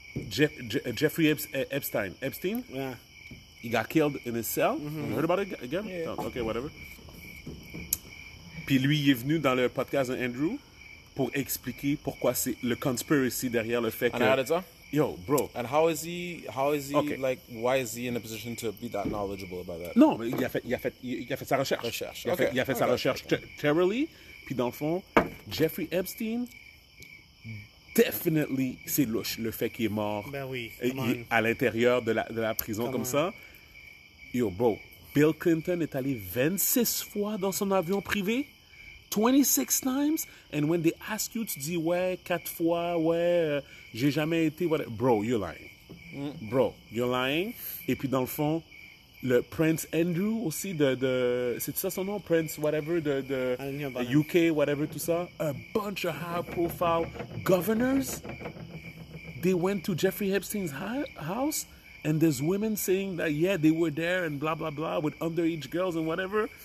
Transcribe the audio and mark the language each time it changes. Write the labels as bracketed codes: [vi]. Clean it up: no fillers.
[en] Jeffrey Epstein. Yeah. He got killed in his cell. Mm-hmm. You heard about it again? Yeah. Oh, okay, whatever. [fr] Puis lui, il est venu dans le podcast d'Andrew pour expliquer pourquoi c'est le conspiracy derrière le fait [en] And [fr] que... [en] And how did it go? Yo, bro. And how is he, okay. like, why is he in a position to be that knowledgeable about that? [fr] Non, mais il a fait sa recherche. Il a fait sa recherche, puis dans le fond, Jeffrey Epstein, definitely, c'est louche, le fait qu'il est mort ben oui, à l'intérieur de la prison comme ça. Yo, bro, Bill Clinton est allé 26 fois dans son avion privé. [en] 26 times, and when they ask you, [fr] tu dis, ouais, 4 fois, ouais, j'ai jamais été, whatever. [en] Bro, you're lying. [fr] Et puis, dans le fond, le Prince Andrew aussi, de c'est ça son nom? Prince, whatever, de UK, whatever, tout ça. [en] A bunch of high-profile governors, they went to Jeffrey Epstein's house, and there's women saying that, yeah, they were there, and blah, blah, blah, with underage girls and whatever.